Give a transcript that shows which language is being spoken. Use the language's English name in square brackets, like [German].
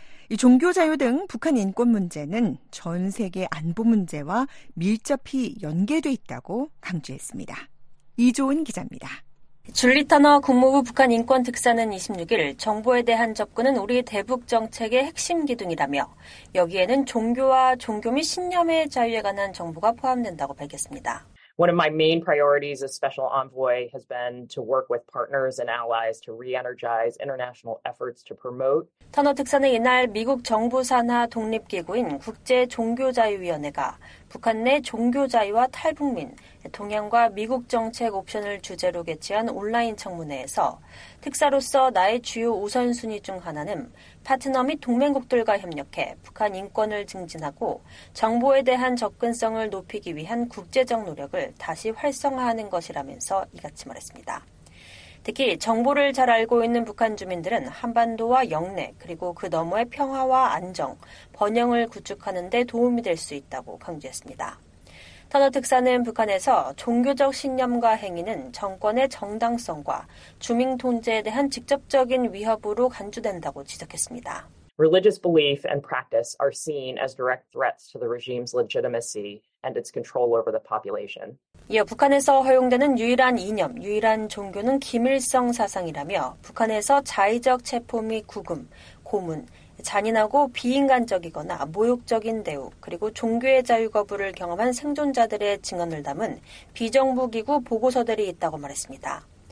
[Korean] 이 종교 자유 등 북한 인권 문제는 전 세계 안보 문제와 밀접히 연계돼 있다고 강조했습니다. 이조은 기자입니다. 줄리 터너 국무부 북한 인권 특사는 26일 정보에 대한 접근은 우리 대북 정책의 핵심 기둥이라며 여기에는 종교와 종교 및 신념의 자유에 관한 정보가 포함된다고 밝혔습니다. [English] One of my main priorities as special envoy has been to work with partners and allies to re-energize international efforts to promote. [Korean] 터너 특사는 이날 미국 정부 산하 독립기구인 국제종교자유위원회가 북한 내 종교자유와 탈북민, 동향과 미국 정책 옵션을 주제로 개최한 온라인 청문회에서 특사로서 나의 주요 우선순위 중 하나는 파트너 및 동맹국들과 협력해 북한 인권을 증진하고 정보에 대한 접근성을 높이기 위한 국제적 노력을 다시 활성화하는 것이라면서 이같이 말했습니다. 특히 정보를 잘 알고 있는 북한 주민들은 한반도와 영내 그리고 그 너머의 평화와 안정, 번영을 구축하는 데 도움이 될 수 있다고 강조했습니다. 터너 특사는 북한에서 종교적 신념과 행위는 정권의 정당성과 주민 통제에 대한 직접적인 위협으로 간주된다고 지적했습니다. [English] Religious belief and practice are seen as direct threats to the regime's legitimacy and its control over the population. [Korean] 이어 북한에서 허용되는 유일한 이념, 유일한 종교는 김일성 사상이라며 북한에서 자의적 체포 및 구금, 고문, 잔인하고 비인간적이거나 모욕적인 대우, 그리고 종교의 자유 거부를 경험한 생존자들의 증언을 담은 비정부기구 보고서들이 있다고 말했습니다.